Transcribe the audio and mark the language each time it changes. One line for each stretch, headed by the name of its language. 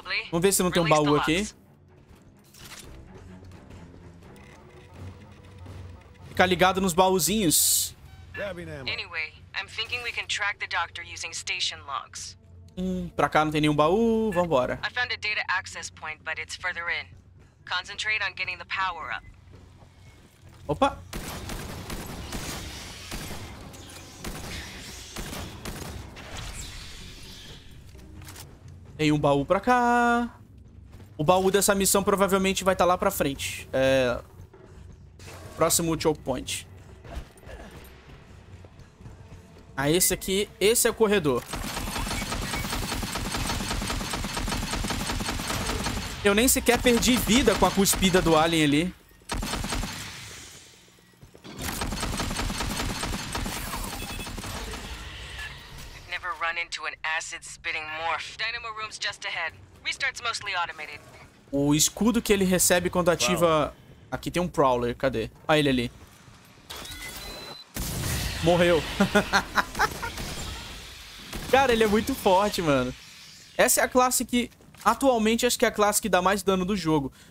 Portuguese: Vamos ver se não tem um baú aqui. Ficar ligado nos baúzinhos.
English: Anyway, I'm thinking we can track the doctor using station logs.
Portuguese: Pra cá não tem nenhum baú, vambora.
English: I found a data access point, but it's further in. Concentrate on getting the power up.
Portuguese: Opa! Tem um baú pra cá. O baú dessa missão provavelmente vai estar lá pra frente. Próximo choke point. Ah, esse aqui. Esse é o corredor. Eu nem sequer perdi vida com a cuspida do alien ali.
English: Never run into an acid spitting morph. Dynamo room's just ahead. Restart's mostly automated.
Portuguese: O escudo que ele recebe quando ativa. Aqui tem um Prowler, cadê? Olha ele ali. Morreu. Cara, ele é muito forte, mano. Essa é a classe que... Atualmente, acho que é a classe que dá mais dano do jogo.